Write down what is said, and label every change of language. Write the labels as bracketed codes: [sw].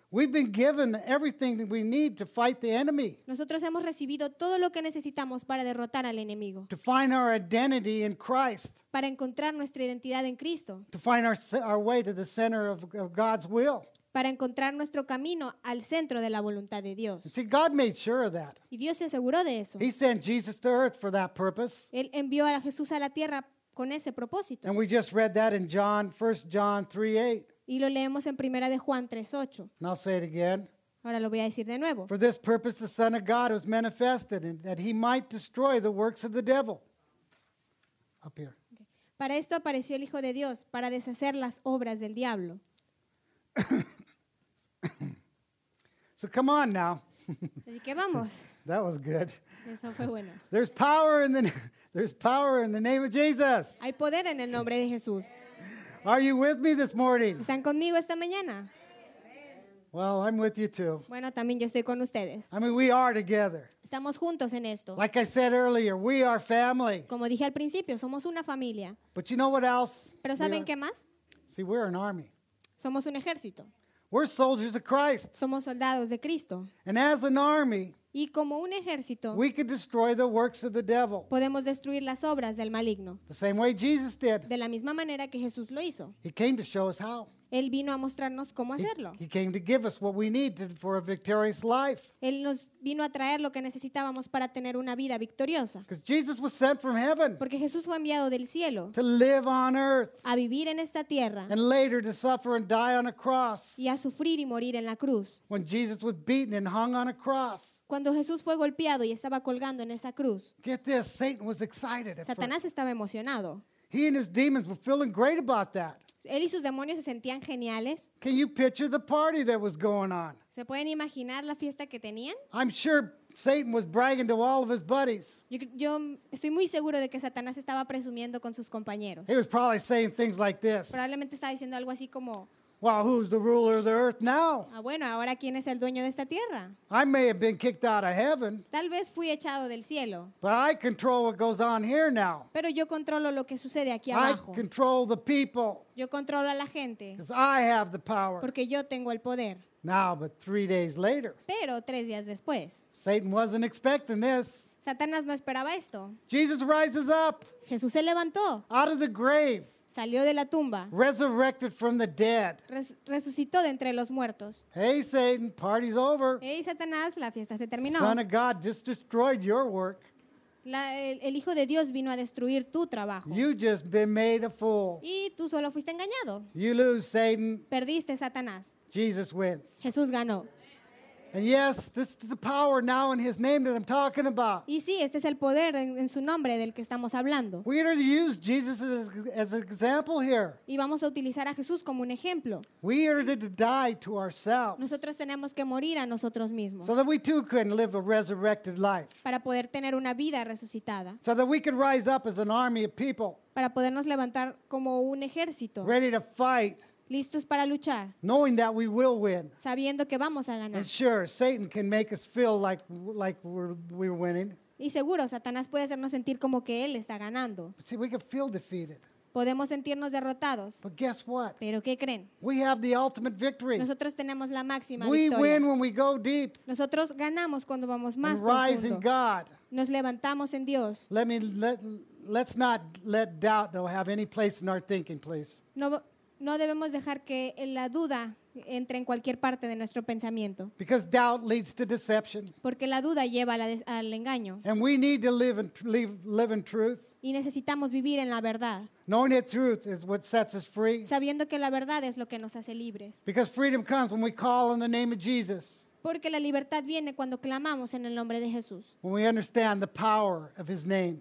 [en] We've been given everything that we need to fight the enemy. [es] Nosotros hemos recibido todo lo que necesitamos para derrotar al enemigo. [en] To find our identity in Christ. [es] Para encontrar nuestra identidad en Cristo. [en] To find our way to the center of God's will. [es] Para encontrar nuestro camino al centro de la voluntad de Dios. [en] See, God made sure of that. [es] Y Dios se aseguró de eso. [en] He sent Jesus to earth for that purpose. [es] Él envió a Jesús a la tierra con ese propósito. [en] And we just read that in John, 1 John 3:8. [es] Y lo leemos en Primera de Juan 3:8. [en] And I'll say it again. [es] Ahora lo voy a decir de nuevo. [en] For this purpose the Son of God was manifested, and that he might destroy the works of the devil. Up here. Okay. [es] Para esto apareció el Hijo de Dios, para deshacer las obras del diablo. [en] So come on now. [es] Así que vamos. [en] That was good. [es] Eso fue bueno. [en] There's power in the name of Jesus. [es] Hay poder en el nombre de Jesús. [en] Are you with me this morning? [es] ¿Están conmigo esta mañana? [en] Well, I'm with you too. [es] Bueno, también yo estoy con ustedes. [en] I mean, we are together. [es] Estamos juntos en esto. [en] Like I said earlier, we are family. [es] Como dije al principio, somos una familia. [en] But you know what else? [es] ¿Pero saben qué más? [en] See, we're an army. [es] Somos un ejército. [en] We're soldiers of Christ. [es] Somos soldados de Cristo. [en] And as an army, [es] y como un ejército, [en] we can destroy the works of the devil. [es] Podemos destruir las obras del maligno. [en] The same way Jesus did. [es] De la misma manera que Jesús lo hizo. [en] He came to show us how. [es] Él vino a mostrarnos cómo hacerlo. [en] He came to give us what we needed for a victorious life. [es] Él nos vino a traer lo que necesitábamos para tener una vida victoriosa. [en] Because Jesus was sent from heaven. [es] Porque Jesús fue enviado del cielo. [en] To live on earth. [es] A vivir en esta tierra. [en] And later to suffer and die on a cross. [es] Y a sufrir y morir en la cruz. [en] When Jesus was beaten and hung on a cross. [es] Cuando Jesús fue golpeado y estaba colgando en esa cruz. [en] Get this, Satan was excited. [es] Satanás estaba emocionado. [en] He and his demons were feeling great about that. [es] Él y sus demonios se sentían geniales. [en] Can you picture the party that was going on? [es] ¿Se pueden imaginar la fiesta que tenían? [en] I'm sure Satan was bragging to all of his buddies. [es] Yo estoy muy seguro de que Satanás estaba presumiendo con sus compañeros. [en] He was probably saying things like this. [es] Probablemente estaba diciendo algo así como, [en] well, who's the ruler of the earth now? [es] Ah, bueno, ahora ¿quién es el dueño de esta tierra? [en] I may have been kicked out of heaven. [es] Tal vez fui echado del cielo. [en] But I control what goes on here now. [es] Pero yo controlo lo que sucede aquí abajo. [en] I control the people. [es] Yo controlo a la gente. [en] Because I have the power. [es] Porque yo tengo el poder. [en] Now, but 3 days later. [es] Pero 3 días después. [en] Satan wasn't expecting this. [es] Satanás no esperaba esto. [en] Jesus rises up. [es] Jesús se levantó. [en] Out of the grave. [es] Salió de la tumba. [en] Resurrected from the dead. [es] Resucitó de entre los muertos. [en] Hey, Satan, party's over. [es] Hey, Satanás, la fiesta se terminó. [en] Son of God just destroyed your work. [es] El Hijo de Dios vino a destruir tu trabajo. [en] You just been made a fool. [es] Y tú solo fuiste engañado. [en] You lose, Satan. [es] Perdiste, Satanás. [en] Jesus wins. [es] Jesús ganó. [en] And yes, this is the power now in his name that I'm talking about. [es] Y sí, este es el poder en su nombre del que estamos hablando. [en] We are to use Jesus as an example here. [es] Y vamos a utilizar a Jesús como un ejemplo. [en] We are to die to ourselves. [es] Nosotros tenemos que morir a nosotros mismos. [en] So that we too can live a resurrected life. [es] Para poder tener una vida resucitada. [en] So that we can rise up as an army of people. [es] Para podernos levantar como un ejército. [en] Ready to fight. [es] Listos para luchar. [en] Knowing that we will win. [es] Sabiendo que vamos a ganar. [en] And sure, Satan can make us feel like we're winning. [es] Y seguro, Satanás puede hacernos sentir como que él está ganando. [en] But see, we can feel defeated. [es] Podemos sentirnos derrotados. [en] But guess what? [es] ¿Pero qué creen? [en] We have the ultimate victory. [es] Nosotros tenemos la máxima [en] we [es] victoria. [en] Win when we go deep. [es] Nosotros ganamos cuando vamos más [en] and [es] profundo. [en] Rise in God. [es] Nos levantamos en Dios. [en] Let's not let doubt though have any place in our thinking, please. [es] No debemos dejar que la duda entre en cualquier parte de nuestro pensamiento. [en] Because doubt leads to deception. [es] Porque la duda lleva al engaño. [en] And we need to live in truth. [es] Y necesitamos vivir en la verdad. [en] Knowing the truth is what sets us free. [es] Sabiendo que la verdad es lo que nos hace libres. [en] Because freedom comes when we call on the name of Jesus. [es] Porque la libertad viene cuando clamamos en el nombre de Jesús. [en] When we understand the power of his name.